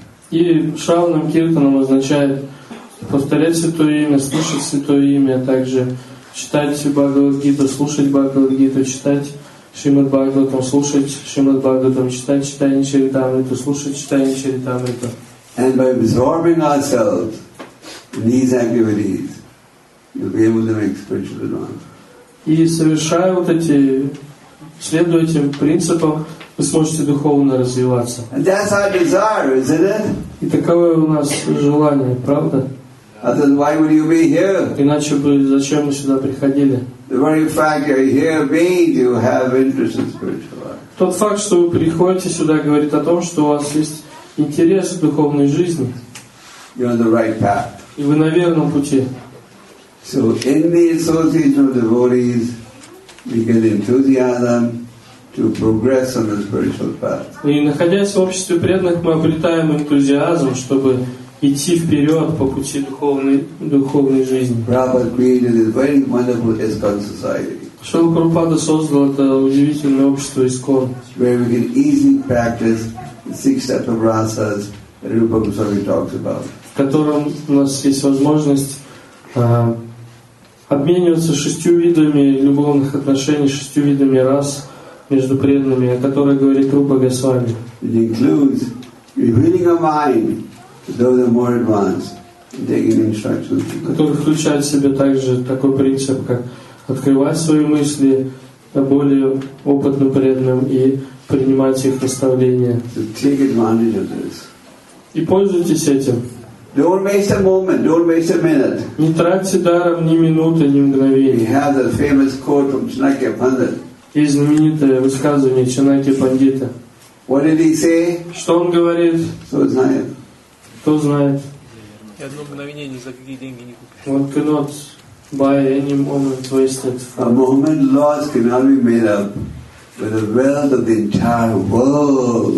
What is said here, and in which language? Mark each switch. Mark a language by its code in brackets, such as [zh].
[ru] И шраванам киртанам означает повторять святое имя, слушать святое имя, а также читать Бхагавад Гиту, слушать Бхагавад Гиту, читать Шримад Бхагаватам, слушать Шримад Бхагаватам, читать Чайтанья Чаритамриту, слушать Чайтанья Чаритамриту. [en] And by absorbing ourselves in these activities, you'll be able to make spiritual advance. [ru] И совершая вот эти, следуя этим принципам, вы сможете духовно развиваться. [en] And that's our desire, isn't it? [ru] И таковое у нас желание, правда? [en] Otherwise, why would you be here? [ru] Иначе бы зачем мы сюда приходили? [en] The very fact you're here means you have interest in spiritual life. [ru] Тот факт, что вы приходите сюда, говорит о том, что у вас есть интерес в духовной жизни. [en] You're on the right path. [ru] И вы на верном пути. [en] So in the association of devotees, we get enthusiasm to progress on the spiritual path. [ru] И находясь в обществе преданных, мы обретаем энтузиазм, чтобы идти вперед по пути духовной жизни. [en] Prabhupada created this very wonderful ISKCON society. [ru] Шрила Прабхупада создал это удивительное общество ISKCON, [en] where we can easily practice the 6 steps of rasas that Rupa Goswami talks about. [ru] В котором у нас есть возможность обмениваться 6 видами любовных отношений, 6 видами рас между преданными, о которых говорит Рупа Госвами. [en] It includes revealing a mind to those who are more advanced and taking instructions. [ru] Который включает в себя также такой принцип, как открывать свои мысли более опытным преданным и принимать их наставления. [en] So take advantage of this. [ru] И пользуйтесь этим. [en] Don't waste a moment. Don't waste a minute. [ru] Не тратьте даром ни минуты, ни мгновения. [en] We have the famous quote from Chanakya Pandit. [ru] Есть знаменитое высказывание Чанаки Пандита. [en] What did he say? [ru] Что он говорит? Кто знает? Кто знает? И одно мгновение ни за какие деньги не купишь. [en] One cannot buy any moment wasted. A moment lost cannot be made up. With the wealth of the entire world.